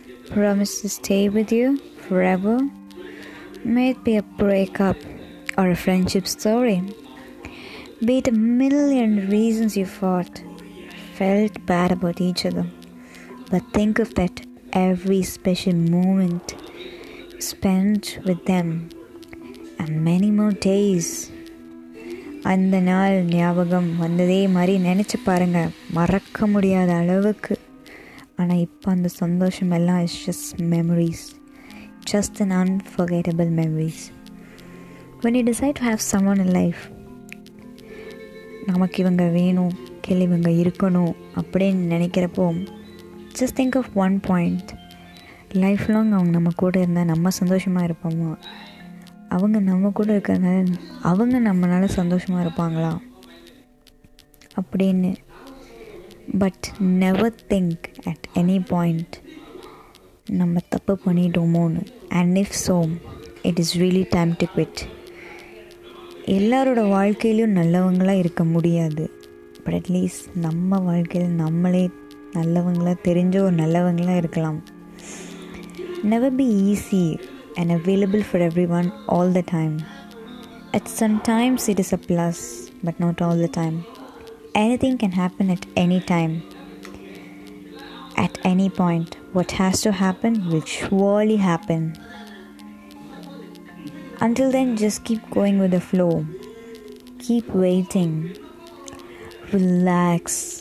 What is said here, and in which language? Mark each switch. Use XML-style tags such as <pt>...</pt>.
<en>Promised to stay with you forever. May it be a breakup or a friendship story. Be it a million reasons you fought, felt bad about each other. But think of that every special moment spent with them, and many more days.</en> <ta>அந்த நாள் ஞாபகம் வந்ததே மாதிரி நினச்சி பாருங்க, மறக்க முடியாத அளவுக்கு. ஆனால் இப்போ அந்த சந்தோஷம் எல்லாம்</ta> <en>It's just memories, just un unforgettable memories. When you decide to have someone in life,</en> <ta>நமக்கு இவங்க வேணும், கேள்வி இவங்க இருக்கணும் அப்படின்னு நினைக்கிறப்போ,</ta> <en>just think of one point, life long</en> <ta>அவங்க நம்ம கூட இருந்தால் நம்ம சந்தோஷமாக இருப்போமா? அவங்க நம்ம கூட இருக்கிறனால அவங்க நம்மளால சந்தோஷமாக இருப்பாங்களா அப்படின்னு.</ta> <en>but never think at any point</en> <ta>நம்ம தப்பு பண்ணிட்டோமோன்னு.</ta> <en>And if so, it is really time to quit.</en> <ta>எல்லாரோட வாழ்க்கையிலையும் நல்லவங்களாக இருக்க முடியாது,</ta> <en>but at least</en> <ta>நம்ம வாழ்க்கையில் நம்மளே நல்லவங்களாக தெரிஞ்ச ஒரு நல்லவங்களாக இருக்கலாம்.</ta> <en>Never be easy and available for everyone all the time. At some times it is a plus, but not all the time. Anything can happen at any time, at any point. What has to happen will surely happen. Until then, just keep going with the flow, keep waiting, relax.</en>